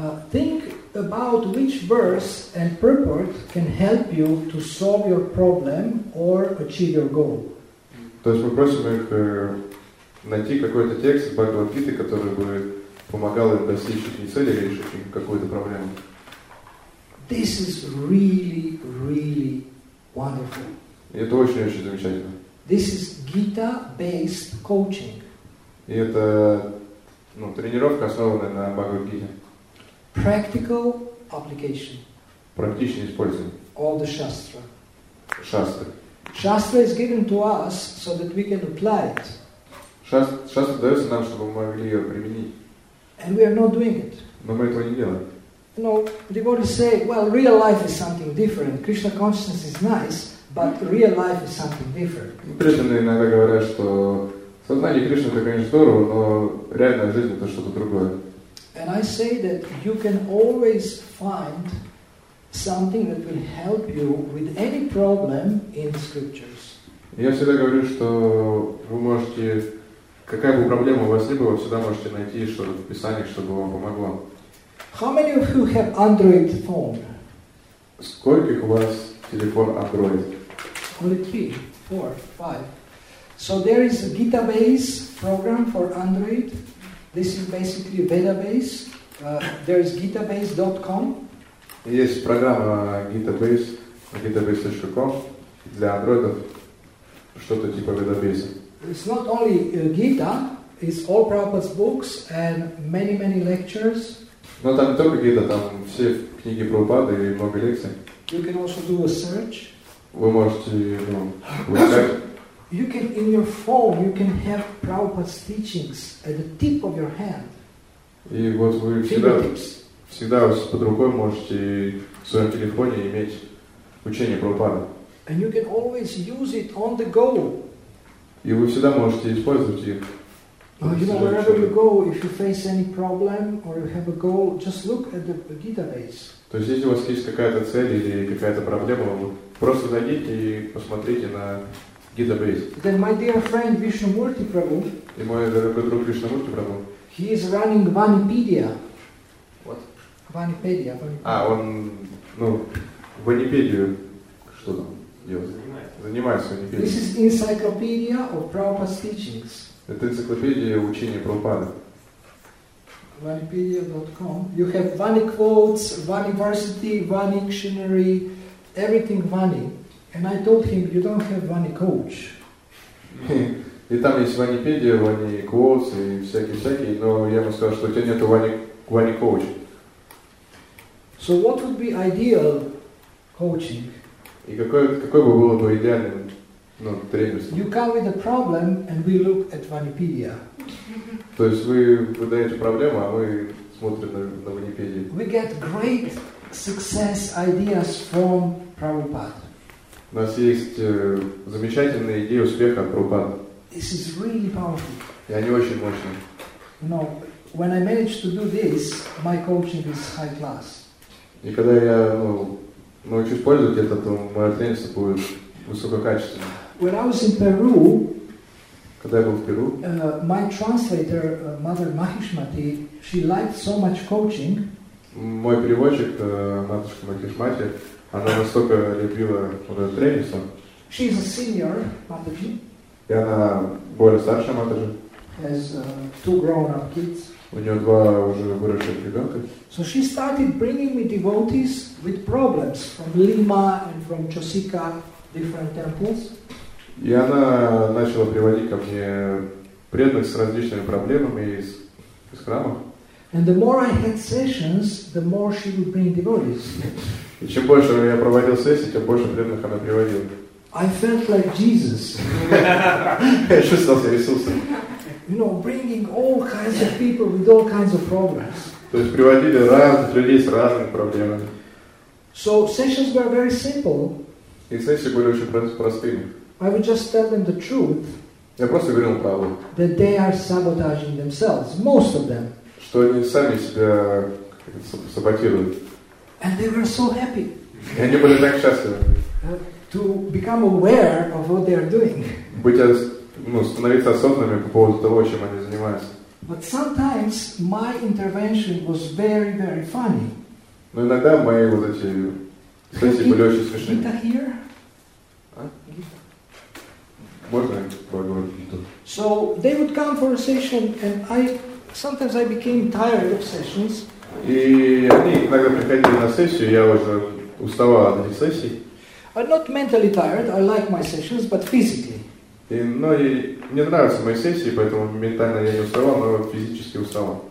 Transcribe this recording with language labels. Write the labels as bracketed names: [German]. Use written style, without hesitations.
[English] Think about which verse and purport can help you to solve your problem or achieve your goal. [Russian] То есть мы просим их найти какой-то текст из Бхагавад Гиты, который бы помогал им достичь их цели или решить им какую-то проблему. [English] This is really, really wonderful. [Russian] И это очень-очень замечательно. [English] This is Gita-based coaching. [Russian] И это, ну, тренировка, основанная на Бхагавад Гите. [English] Practical application. [Russian] Практичное использование. [English] All the Shastra. Shastra. Shastra is given to us so that we can apply it. [Russian] Shastra дается нам, чтобы мы могли ее применить. [English] And we are not doing it. [Russian] Но мы этого не делаем. [English] No, devotees say, well, real life is something different. Krishna consciousness is nice, but real life is something different. [Russian] Преданные иногда говорят, что сознание Кришны это, конечно, здорово, но реальная жизнь это что-то другое. [English] And I say that you can always find something that will help you with any problem in the scriptures. [Russian] Я всегда говорю, что вы можете, какая бы проблема у вас ни была, вы всегда можете найти что-то в Писании, чтобы вам помогло. [English] How many of you have Android phone? [Russian] Сколько у вас телефон Android? [English] Only 3, 4, 5. So there is a Gita base program for Android. This is basically a beta base. There is gitabase.com. [Russian] Есть программа gitabase.com для андроидов, что-то типа бета-бейса. [English] It's not only Gita, it's all Prabhupada's books and many, many lectures. [Russian] Но там не только Гита, там все книги Прабхупады и много лекций. [English] You can also do a search. [Russian] Вы можете, ну, выбирать. [English] You can, in your phone, you can have Prabhupada's teachings at the tip of your hand. [Russian] И вот вы всегда под рукой можете в своем телефоне иметь учение Прабхупады. [English] And you can always use it on the go. [Russian] И вы всегда можете использовать их. [English] You know, wherever you go, if you face any problem or you have a goal, just look at the Gita base. [Russian] То есть, если у вас есть какая-то цель или какая-то проблема, просто зайдите и посмотрите на Gita-based. [English] Then my dear friend Vishnumurti Prabhu. [Russian] И мой дорогой друг Вишнумурти Прабху. [English] He is running Vanipedia. What? Vanipedia. [Russian] А он, ну, Ванипедию что там делает? Занимается Ванипедией. [English] This is encyclopedia of Prabhupada's teachings. [Russian] Это энциклопедия учения Прабхупады. [English] Vanipedia.com. You have Vani quotes, Vani varsity, Vani dictionary, everything Vani. And I told him, you don't have Vani coach. [Russian] И там есть Ванипедия, Вани Квоутс и всякие-всякие, но я бы сказал, что у тебя нету Вани Коуч. [English] So what would be ideal coaching? [Russian] И какой бы было бы идеальным, ну, тренерством? [English] You come with a problem and we look at Ванипедия. [Russian] То есть вы даете проблему, а мы смотрим на Ванипедию. [English] We get great success ideas from Prabhupada. [Russian] У нас есть замечательные идеи успеха от Прабхупады. [English] This is really powerful. [Russian] И они очень мощные. [English] You know, when I managed to do this, my coaching is high class. [Russian] И когда я, ну, научусь пользоваться это, то мое тренерство будет высококачественным. [English] When I was in Peru, [Russian] когда я был в Перу, [English] my translator, Mother Mahishmati, she liked so much coaching. [Russian] Мой переводчик, матушка Махишмати, она настолько любила мое тренерство. [English] She is a senior, Mataji. [Russian] И она более старшая матери. [English] Two grown-up kids. [Russian] У нее два уже выросших ребенка. [English] So she started bringing me devotees with problems from Lima and from Chosica, different temples. [Russian] И она начала приводить ко мне преданных с различными проблемами из храмов. [English] And the more I had sessions, the more she would bring devotees. [Russian] И чем больше я проводил сессий, тем больше преданных она приводила. [English] I felt like Jesus. [Russian] Я чувствовал себя Иисусом. [English] You know, bringing all kinds of people with all kinds of problems. [Russian] То есть приводили разных людей с разными проблемами. [English] So sessions were very simple. [Russian] И сессии были очень простыми. [English] I would just tell them the truth. [Russian] Я просто говорил им правду. [English] That they are sabotaging themselves, most of them. [Russian] Что они сами себя саботируют. [English] And they were so happy. [Russian] И они были так счастливы. [English] To become aware of what they are doing. [Russian] Становиться осознанными по поводу того, чем они занимаются. [English] But sometimes my intervention was very, very funny. [Russian] Но иногда мои вот эти сессии были очень смешные. [English] Gita here? [Russian] Можно поговорить тут? [English] So they would come for a session, and I became tired of sessions. [Russian] И они иногда приходили на сессию, я уже уставал от этих сессий. [English] I'm not mentally tired, I like my sessions, but physically. [Russian] И мне нравятся мои сессии, поэтому ментально я не уставал, но физически уставал.